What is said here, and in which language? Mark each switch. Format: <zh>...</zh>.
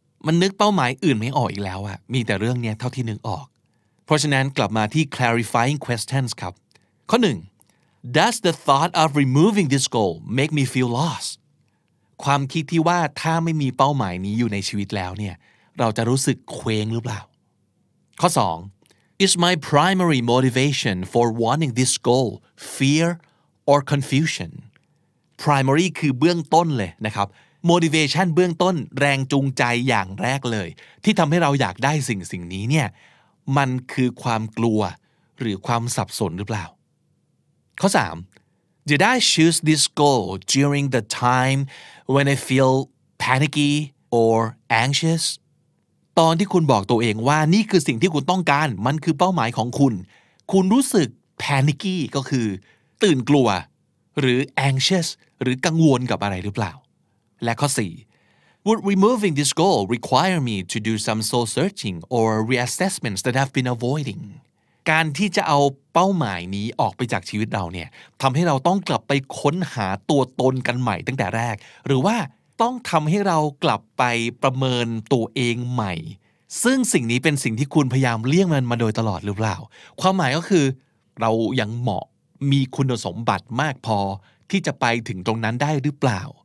<th>นนึกเป้าหมายอื่นไม่ออกอีกแล้วอะมีแต่เรื่องเนี้ยเท่าที่นึกออกเพราะฉะนั้นกลับมาที่ clarifying questions ครับข้อ1</th> <en>Does the thought of removing this goal make me feel lost</en> <th>ความคิดที่ว่าถ้าไม่มีเป้าหมายนี้อยู่ในชีวิตแล้วเนี่ยเราจะรู้สึกเคว้งหรือเปล่าข้อ2</th> <en>Is my primary motivation for wanting this goal fear or confusion</en> <th>primary คือเบื้องต้นเลยนะครับmotivation เบื้องต้นแรงจูงใจอย่างแรกเลยที่ทำให้เราอยากได้สิ่งนี้เนี่ยมันคือความกลัวหรือความสับสนหรือเปล่าข้อ 3</th> <en>Did I choose this goal during the time when I feel panicky or anxious</en> <th>ตอนที่คุณบอกตัวเองว่านี่คือสิ่งที่คุณต้องการมันคือเป้าหมายของคุณรู้สึก panicky ก็คือตื่นกลัวหรือ anxious หรือกังวลกับอะไรหรือเปล่าและข้อ 4</th> <en>Would removing this goal require me to do some soul searching or reassessments that I've been avoiding</en> <th>การที่จะเอาเป้าหมายนี้ออกไปจากชีวิตเราเนี่ยทำให้เราต้องกลับไปค้นหาตัวตนกันใหม่ตั้งแต่แรกหรือว่าต้องทำให้เรากลับไปประเมินตัวเองใหม่ซึ่งสิ่งนี้เป็นสิ่งที่คุณพยายามเลี่ยงมันมาโดยตลอดหรือเปล่าความหมายก็คือเรายังเหมาะมีคุณสมบัติมากพอที่จะไปถึงตรงนั้นได้หรือเปล่า</th>